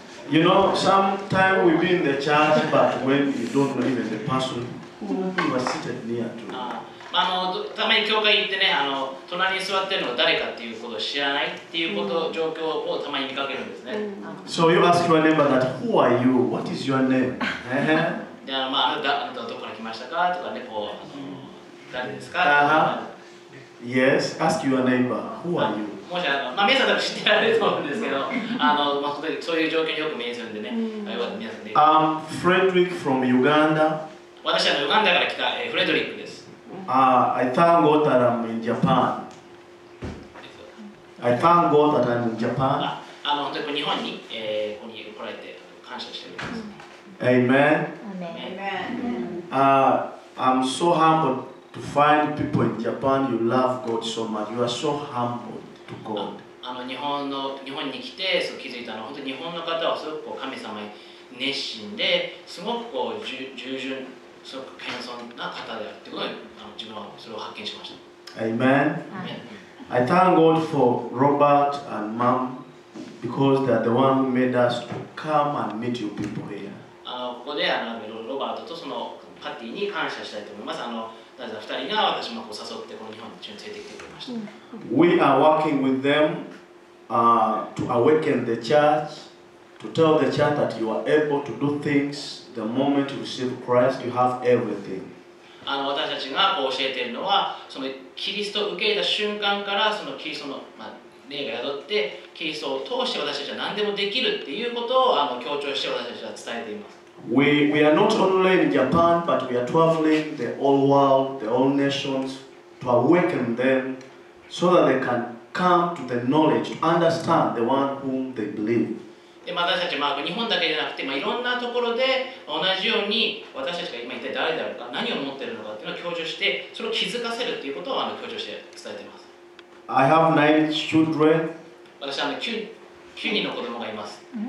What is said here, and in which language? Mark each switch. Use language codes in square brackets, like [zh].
[en] You know, sometimes we be in the church, but when you don't know even the person who you are seated near to. [ja] たまに教会行ってね、隣に座ってるのが誰かっていうことを知らないっていうこと、状況をたまに見かけるんですね。 [en] So you ask your neighbor that, who are you? What is your name? [ja] で、あなた、どこから来ましたかとかね、こう、誰ですか、uh-huh. [en] Yes, ask your neighbor, who are you? [ja] もし、皆さん知ってられると思うんですけど、そういう状況によく見えるんでね、皆さんね。 [en] I'm Frederick from Uganda. [ja] 私はウガンダから来た、フレドリックです。 [en] I thank God that I'm in Japan. I thank God that I'm in Japan. [ja] 日本に、ここに来られて感謝しております。 [en] Amen. Amen. I'm so humbled to find people in Japan who love God so much. You are so humbled to God. [ja] 日本に来て、そう気づいたのは、本当に日本の方はすごくこう神様に熱心で、すごくこう従順。すごく謙遜な方であるってことで自分はそれを発見しました。 [en] Amen. I thank God for Robert and Mom because they are the one who made us to come and meet you people here. [ja] ここでロバートとそのパティに感謝したいと思います。なぜ二人が私もこう誘ってこの日本に連れてきてくれました。 [en] We are working with them to awaken the church. To tell the church that you are able to do things the moment you receive Christ, you have everything. [ja] 私たちが教えているのは、そのキリストを受け入れた瞬間から、そのキリストの、霊が宿って、キリストを通して私たちは何でもできるっていうことを強調して私たちは伝えています。 [en] We are not only in Japan, but we are traveling the whole world, the whole nations, to awaken them so that they can come to the knowledge, to understand the one whom they believe. [ja] で私たちは日本だけじゃなくて、いろんなところで同じように私たちが今一体誰であるか、何を持っているのかっていうのを強調して、それを気づかせるということを強調して伝えています。 [en] I have nine children. [ja] 私は 9人の子供がいます。